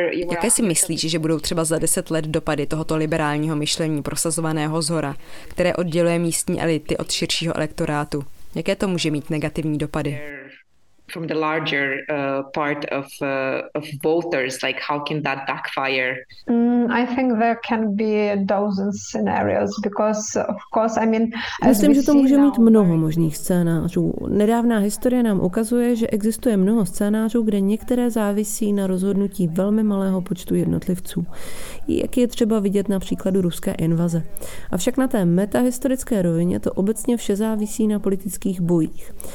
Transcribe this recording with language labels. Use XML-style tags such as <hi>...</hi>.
<cs>Jaké si myslíš, že budou třeba za 10 let dopady tohoto liberálního myšlení prosazovaného zhora, které odděluje místní elity od širšího elektorátu? Jaké to může mít negativní dopady?</cs> <en>From the larger part of voters, like how can that backfire? I think there can be dozens scenarios because, of course, I mean.</en> <cs>Myslím, že to může mít mnoho možných scénářů. Nedávná historie nám ukazuje, že existuje mnoho scénářů, kde některé závisí na rozhodnutí velmi malého počtu jednotlivců. Jak je třeba vidět na příkladu ruské invaze. Avšak na té metahistorické rovině to obecně vše závisí na politických bojích.</cs>